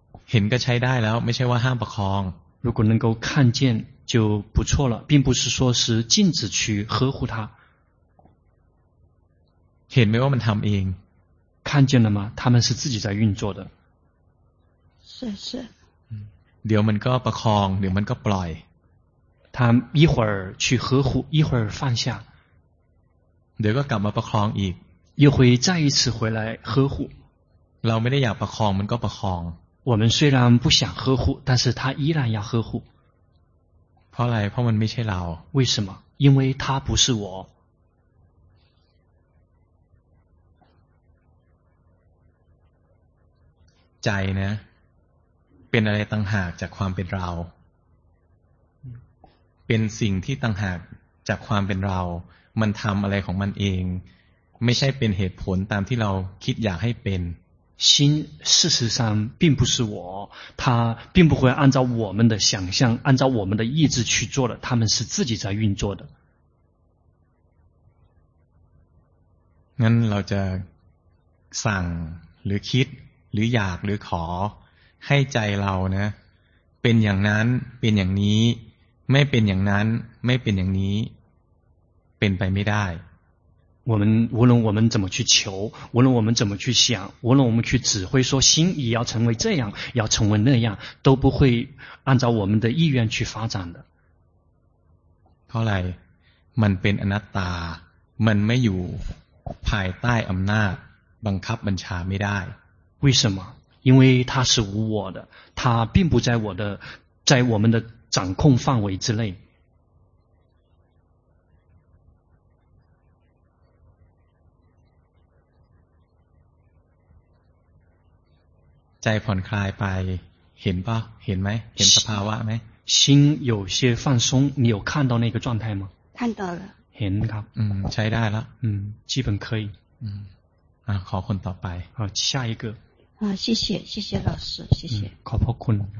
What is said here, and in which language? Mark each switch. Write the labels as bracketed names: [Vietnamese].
[Thai] เห็นก็ใช้ได้แล้วไม่ใช่ว่าห้ามประคอง [Chinese] 如果能够看见就不错了并不是说是禁止去呵护它 [Thai] เห็นไหมว่ามันทำเอง [Chinese] 看见了吗他们是自己在运作的是是 [Thai] เดี๋ยวมันก็ประคองเดี๋ยวมันก็ปล่อย [Chinese] 他一会儿去呵护一会儿放下 [Thai] เดี๋ยวก็กลับมาประคองอีก [Chinese] 又会再一次回来呵护 [Thai] เราไม่ได้อยากประคองมันก็ประคอง [Chinese] 我们虽然不想呵护，但是他依然要呵护。 [Thai] เพราะอะไร เพราะมันไม่ใช่เรา [Chinese] 为什么？因为他不是我。 [Thai] ใจนะ เป็นอะไรต่างหากจากความเป็นเรา เป็นสิ่งที่ต่างหากจากความเป็นเรา มันทำอะไรของมันเอง ไม่ใช่เป็นเหตุผลตามที่เราคิดอยากให้เป็น [Chinese] 心事实上并不是我它并不会按照我们的想象按照我们的意志去做的他们是自己在运作的那我们就想 [Thai] หรือคิดหรืออยากหรือขอให้ใจเรานะเป็นอย่างนั้นเป็นอย่างนี้ไม่เป็นอย่างนั้นไม่เป็นอย่างนี้เป็นไปไม่ได้ [Chinese] 我们无论我们怎么去求无论我们怎么去想无论我们去指挥说心也要成为这样要成为那样都不会按照我们的意愿去发展的 [Thai] เพราะอะไรมันเป็นอนัตตามันไม่อยู่ภายใต้อำนาจบังคับบัญชาไม่ได้ [Chinese] 为什么因为它是无我的它并不在我的在我们的掌控范围之内 [Thai] 在ผ่อนคลายไปเห็นป่ะเห็นไหมเห็นสภาวะไหม [Chinese] 心有些放松你有看到那个状态吗看到了 [Thai] เห็นครับ ใช้ได้แล้ว [Chinese] 基本可以 [Thai] ขอคนต่อไป [Chinese] 下一个谢谢老师谢谢 [Thai] ขอบคุณ